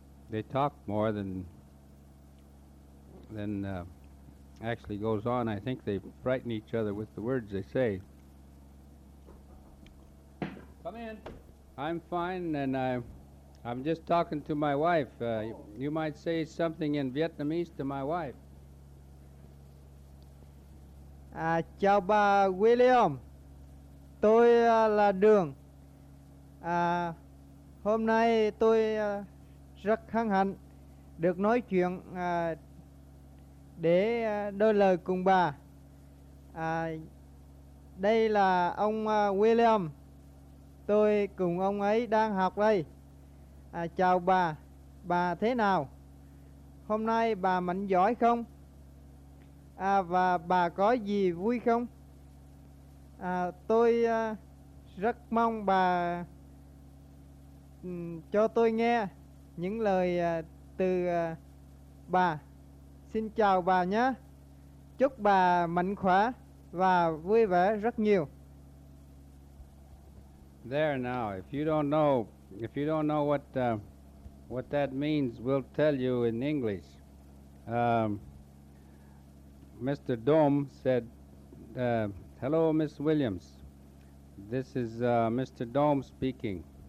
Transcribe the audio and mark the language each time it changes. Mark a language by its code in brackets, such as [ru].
[en] They talk more than actually goes on. I think they frighten each other with the words they say. Come in. I'm fine, and I'm just talking to my wife. You might say something in Vietnamese to my wife. [vi] Chào bà William, tôi là Đường. Hôm nay tôi rất hân hạnh được nói chuyện để đôi lời cùng bà. Đây là ông William, tôi cùng ông ấy đang học đây. Chào bà thế nào? Hôm nay bà mạnh giỏi không? Và bà có gì vui không? Tôi rất mong bà cho tôi nghe những lời từ bà. Xin chào bà nhé. Chúc bà mạnh khỏe và vui vẻ rất nhiều. [en] There now, if you don't know what that means, we'll tell you in English. Mr. Dom said, hello, Miss Williams. This is Mr. Dom speaking.